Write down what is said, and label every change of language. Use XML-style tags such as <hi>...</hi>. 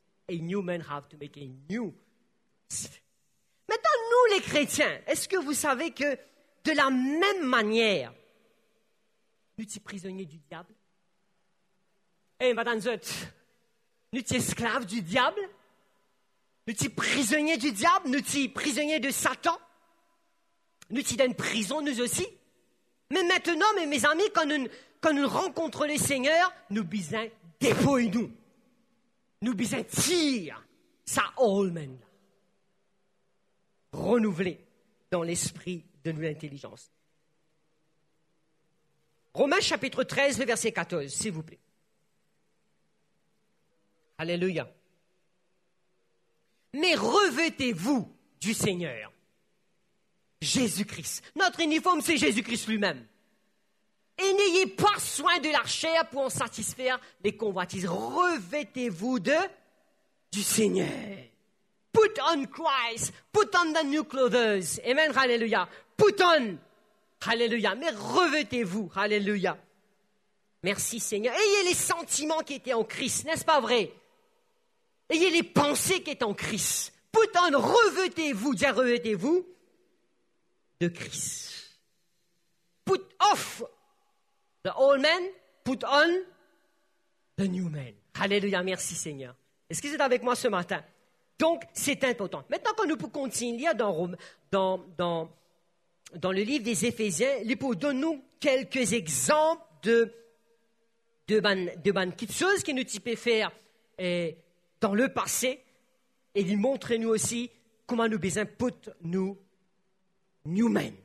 <en>A new man have to make a new.</en> <fr>Maintenant, nous les chrétiens, est-ce que vous savez que de la même manière, nous sommes prisonniers du diable? Eh, madame Zot, nous sommes esclaves du diable? Nous sommes prisonniers du diable? Nous sommes prisonniers de Satan? Nous sommes dans une prison, nous aussi? Mais maintenant, mes amis, quand nous rencontrons le Seigneur, nous besoin dépouille-nous. Nous besoin tire sa old man. Renouveler dans l'esprit de nouvelle intelligence. Romains chapitre 13, le verset 14, s'il vous plaît. Alléluia. Mais revêtez-vous du Seigneur, Jésus-Christ. Notre uniforme, c'est Jésus-Christ lui-même. Et n'ayez pas soin de la chair pour en satisfaire les convoitises. Revêtez-vous du Seigneur.</fr> <en>Put on Christ, put on the new clothes. Amen, hallelujah. Put on, hallelujah.</en> <fr>Mais revêtez-vous, hallelujah. Merci Seigneur. Ayez les sentiments qui étaient en Christ, n'est-ce pas vrai? Ayez les pensées qui étaient en Christ.</fr> <en>Put on,</en> <fr>revêtez-vous, déjà revêtez-vous de Christ.</fr> <en>Put off the old man, put on the new man.</en> <fr>Hallelujah, merci Seigneur. Est-ce que vous êtes avec moi ce matin? Donc, c'est important. Maintenant, quand nous pouvons continuer dans le livre des Éphésiens, Lippo, donne-nous quelques exemples de quelque chose qui nous peut faire dans le passé et lui montrer nous aussi comment nous besoin put nous new man.</fr>